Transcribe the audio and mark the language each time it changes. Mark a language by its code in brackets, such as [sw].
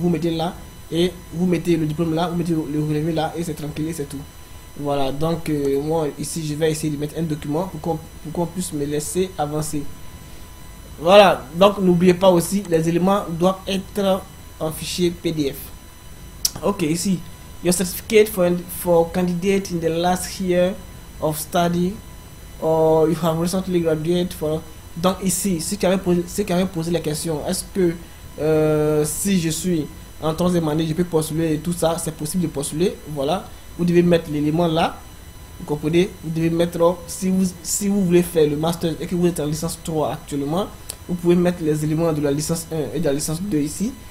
[fr] Vous mettez là et vous mettez le diplôme là, vous mettez le relevé là et c'est tranquille et c'est tout. Voilà, donc moi ici je vais essayer de mettre un document pour qu'on puisse me laisser avancer. Voilà, donc n'oubliez pas aussi, les éléments doivent être en fichier PDF. [en] Ok, ici, your certificate for candidate in the last year of study, or you have recently graduated for... [fr] Donc ici, ceux qui avaient posé la question, est-ce que si je suis en troisième année, je peux postuler et tout ça, c'est possible de postuler, voilà. Vous devez mettre l'élément là, vous comprenez, vous devez mettre, si vous voulez faire le master et que vous êtes en licence 3 actuellement, vous pouvez mettre les éléments de la licence 1 et de la licence 2 ici.